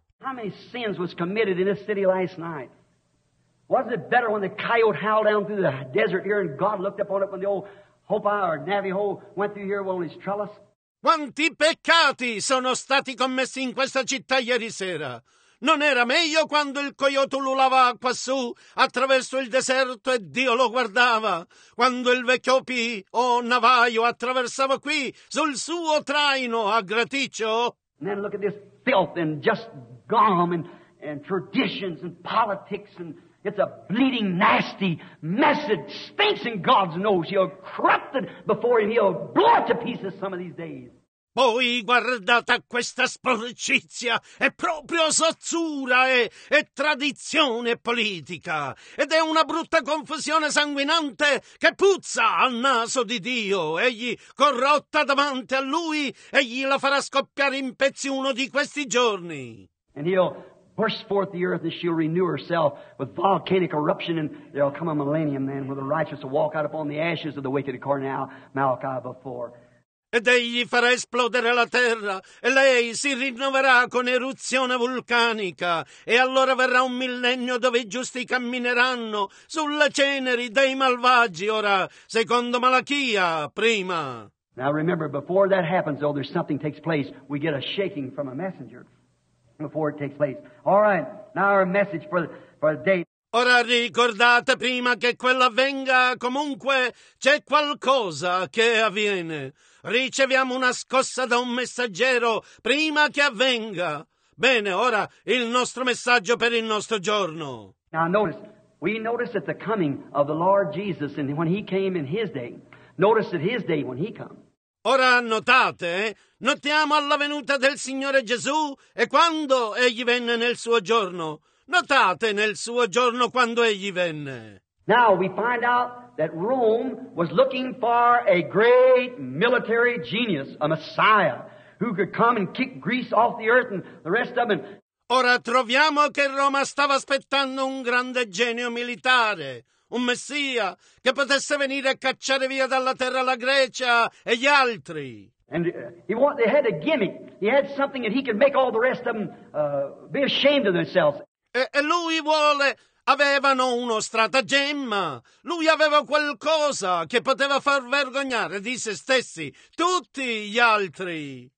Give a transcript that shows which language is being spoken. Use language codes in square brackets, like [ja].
[en] How many sins was committed in this city last night? Wasn't it better when the coyote howled down through the desert here and God looked upon it when the old Hopi or Navajo went through here on his trellis? [it] Quanti peccati sono stati commessi in questa città ieri sera? Non era meglio quando il coyote ululava quassù attraverso il deserto e Dio lo guardava? Quando il vecchio Hopi o Navajo attraversava qui sul suo traino a graticcio? [en] And then look at this filth and just gum and traditions and politics and it's a bleeding, nasty mess. It stinks in God's nose. You're corrupted before him. You'll blow it to pieces some of these days. [it] Poi guardate questa sporcizia, è proprio sozzura e tradizione politica, ed è una brutta confusione sanguinante che puzza al naso di Dio, egli corrotta davanti a lui, egli la farà scoppiare in pezzi uno di questi giorni. [en] And he'll burst forth the earth and she'll renew herself with volcanic eruption and there'll come a millennium then where the righteous will walk out upon the ashes of the wicked according to Malachi before. [it] Ed egli farà esplodere la terra e lei si rinnoverà con eruzione vulcanica e allora verrà un millennio dove i giusti cammineranno sulle ceneri dei malvagi ora secondo Malachia prima. [en] Now remember before that happens though there's something takes place we get a shaking from a messenger before it takes place. All right, now our message for the day. [it] Ora ricordate prima che quello avvenga comunque c'è qualcosa che avviene. Riceviamo una scossa da un messaggero prima che avvenga. Bene, ora il nostro messaggio per il nostro giorno. [en] Now notice, we notice that the coming of the Lord Jesus and when he came in his day, notice that his day when he comes. [it] Ora notate, notiamo alla venuta del Signore Gesù e quando egli venne nel suo giorno. Notate nel suo giorno quando egli venne. [en] Now we find out that Rome was looking for a great military genius, a messiah, who could come and kick Greece off the earth and the rest of them. [it] Ora troviamo che Roma stava aspettando un grande genio militare, un messia, che potesse venire a cacciare via dalla terra la Grecia e gli altri. [en] And he had a gimmick. He had something that he could make all the rest of them be ashamed of themselves. [it] E lui vuole, avevano uno stratagemma. Lui aveva qualcosa che poteva far vergognare di se stessi tutti gli altri.